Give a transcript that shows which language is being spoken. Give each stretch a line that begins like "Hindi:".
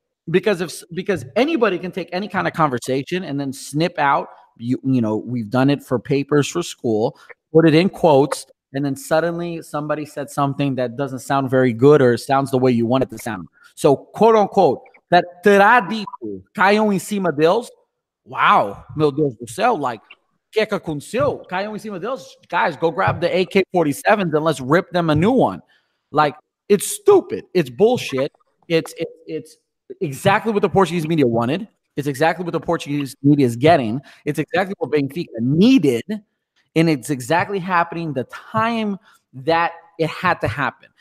English: Because anybody can take any kind of conversation and then snip out, you know, we've done it for papers for school, put it in quotes, and then suddenly somebody said something that doesn't sound very good or sounds the way you want it to sound. So, quote unquote, that
Portuguese: terá dito, caiu em cima deles.
English: Wow,
Portuguese: meu Deus do céu,
English: like,
Portuguese: que aconteceu? Caiu em cima deles.
English: Guys, go grab the AK-47s and let's rip them a new one. Like, it's stupid. It's bullshit. It's exactly what the Portuguese media wanted. It's exactly what the Portuguese media is getting. It's exactly what Benfica needed. And it's exactly happening the time that it had to happen.